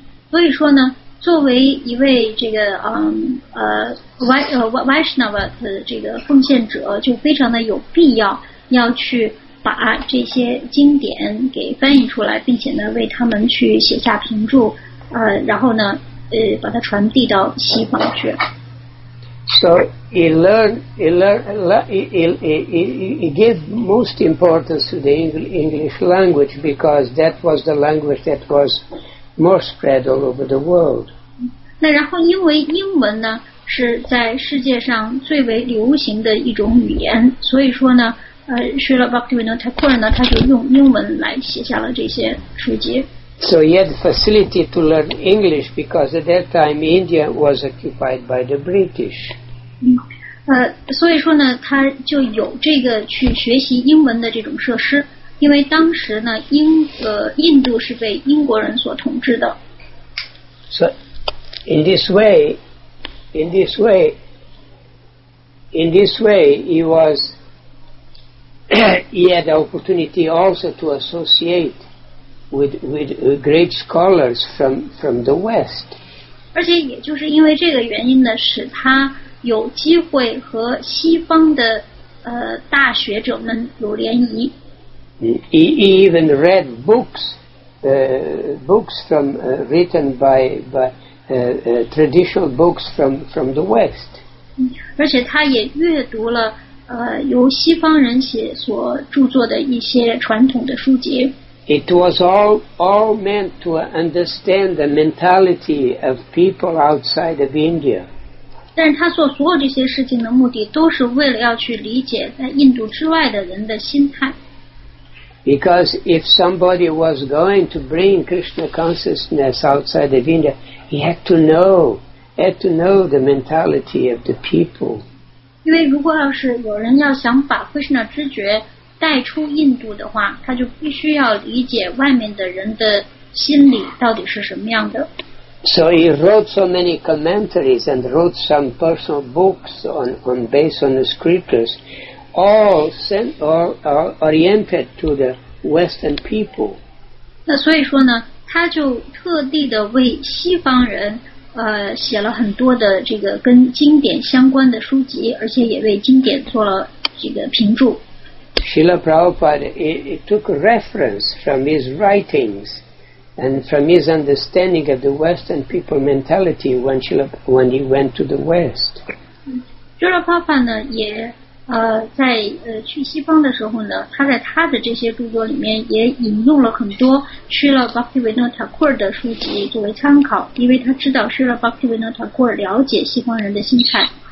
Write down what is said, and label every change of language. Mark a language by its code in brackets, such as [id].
[zh] 所以说呢，作为一位这个Vaishnava 的这个奉献者，就非常的有必要要去把这些经典给翻译出来，并且呢为他们去写下评注，然后呢把它传递到西方去。 [en] So he gave most importance to the English language because that was the language that was more spread all over the world. [zh] 那然后因为英文呢是在世界上最为流行的一种语言，所以说呢，Srila Bhaktivinoda Thakur呢，他就用英文来写下了这些书籍。 [en] So he had facility to learn English because at that time India was occupied by the British. [zh] 所以说呢，他就有这个去学习英文的这种设施，因为当时呢，印度是被英国人所统治的。 [en] So in this way, he had the opportunity also to associate with great scholars from the West. [zh] 而且也就是因为这个原因呢，使他有机会和西方的大学者们有联谊。 [en] He even read books from written by traditional books from the West. [zh] 而且他也阅读了由西方人写所著作的一些传统的书籍。 [en] It was all meant to understand the mentality of people outside of India. [zh] 但是他做所有这些事情的目的都是为了要去理解在印度之外的人的心态。 [en] Because if somebody was going to bring Krishna consciousness outside of India, he had to know the mentality of the people. [zh] 因为如果要是有人要想把 Krishna 知觉带出印度的话，他就必须要理解外面的人的心理到底是什么样的。 [en] So he wrote so many commentaries and wrote some personal books on based on the scriptures, all oriented to the Western people. [zh] 那所以说呢，他就特地的为西方人写了很多的这个跟经典相关的书籍，而且也为经典做了这个评注。 [en] Srila Prabhupada he took reference from his writings and from his understanding of the Western people mentality when he went to the West. [zh] Srila Prabhupada 呢也在去西方的时候呢，他在他的这些著作里面也引用了很多 Srila Bhaktivinoda Thakur 的书籍作为参考，因为他知道 Srila Bhaktivinoda Thakur 了解西方人的心态。